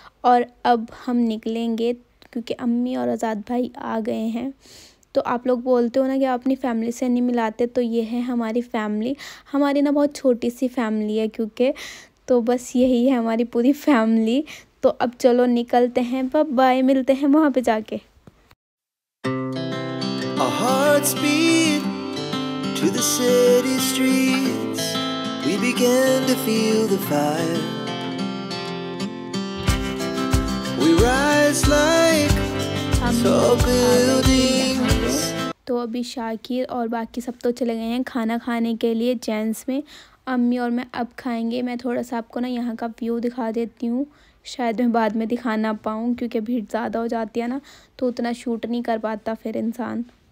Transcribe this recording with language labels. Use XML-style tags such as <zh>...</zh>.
<hi>और अब हम निकलेंगे, क्योंकि अम्मी और आज़ाद भाई आ गए हैं। तो आप लोग बोलते हो ना कि आप अपनी फैमिली से नहीं मिलाते, तो ये है हमारी फैमिली, हमारी ना बहुत छोटी सी फैमिली है, क्योंकि तो बस यही है हमारी पूरी फैमिली। तो अब चलो निकलते हैं, बाय बाय, मिलते हैं वहां पे जाके।</hi> <en>A heart speed to the city streets, we began to feel the fire. We rise like tall buildings.</en> <hi>तो अभी शाकिर और बाकी सब तो चले गए हैं खाना खाने के लिए जेंट्स में, अम्मी और मैं अब खाएंगे। मैं थोड़ा सा आपको ना यहाँ का व्यू दिखा देती हूँ, शायद मैं बाद में दिखा ना पाऊँ, क्योंकि भीड़ ज़्यादा हो जाती है ना, तो उतना शूट नहीं कर पाता फिर इंसान।</hi>